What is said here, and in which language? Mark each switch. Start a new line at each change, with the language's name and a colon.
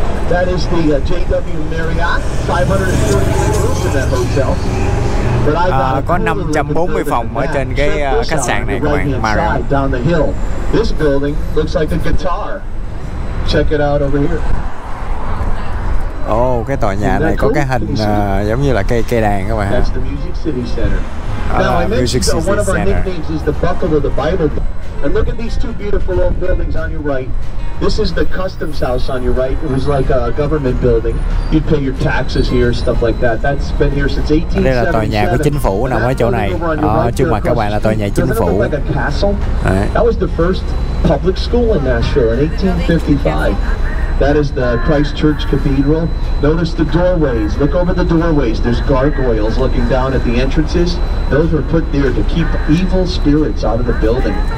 English: That is the JW Marriott 544 rooms in that hotel.
Vietnamese: Có 540 phòng ở trên cái khách sạn này các bạn, Marriott.
English: This building looks like a guitar. Check it out over here.
Vietnamese: Oh, cái tòa nhà này có cái hình giống như là cây đàn các bạn.
English: Music City Center. Now, one of our nicknames is the Buckle of the Bible. And look at these two beautiful old buildings on your right. This is the customs house on your right. It was like a government building. You'd pay your taxes here, stuff like that. That's been here since 1877.
Vietnamese: Đây là tòa nhà của chính phủ nằm ở chỗ này. Trước mặt các bạn là tòa nhà chính phủ.
English: That was the first public school in Nashville in 1855. That is the Christ Church Cathedral. Notice the doorways. Look over the doorways. There's gargoyles looking down at the entrances. Those were put there to keep evil spirits out of the building.